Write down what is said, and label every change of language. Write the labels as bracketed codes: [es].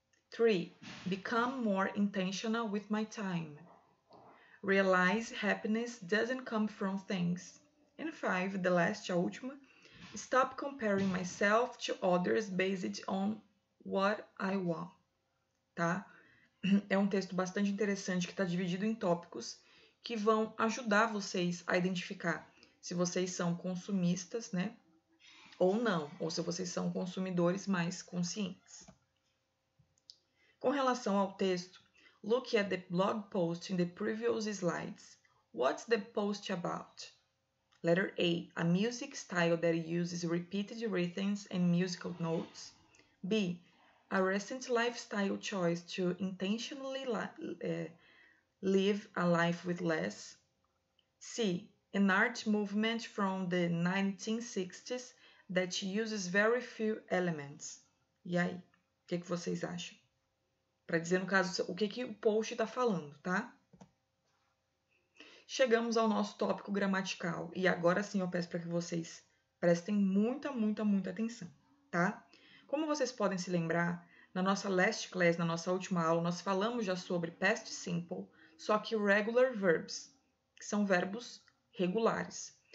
[en] Three, become more intentional with my time. Realize happiness doesn't come from things. And five, the last, [pt] a última, [en] stop comparing myself to others based on what I want. [pt] Tá? É um texto bastante interessante que está dividido em tópicos que vão ajudar vocês a identificar se vocês são consumistas, né? Ou não, ou se vocês são consumidores mais conscientes. Com relação ao texto, [en] look at the blog post in the previous slides. What's the post about? Letter A, a music style that uses repeated rhythms and musical notes. B, a recent lifestyle choice to intentionally live a life with less. C, an art movement from the 1960s that uses very few elements. [pt] E aí, o que vocês acham? Para dizer, no caso, o que o post está falando, tá? Chegamos ao nosso tópico gramatical. E agora sim, eu peço para que vocês prestem muita, muita, muita atenção, tá? Como vocês podem se lembrar, na nossa [en] last class, [pt] na nossa última aula, nós falamos já sobre past simple, só que [en] regular verbs, [pt] que são verbos regulares.